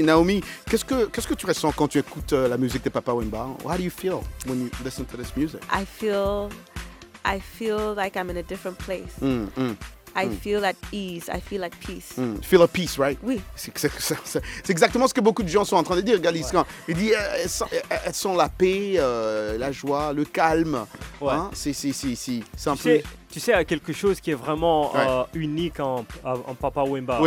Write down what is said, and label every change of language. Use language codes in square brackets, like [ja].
[fr] Naomi, qu'est-ce que tu ressens quand tu écoutes la musique de Papa Wemba? [en] How do you feel when you listen to this music? I feel like I'm in a different place. I feel at ease, I feel at peace. Feel at peace, right? [fr] Oui. C'est exactement ce que beaucoup de gens sont en train de dire, Galice. Ouais. Ils disent, elles sont la paix, la joie, le calme. Ouais. Hein? C'est un peu... Tu sais, il y a quelque chose qui est vraiment unique en Papa Wemba,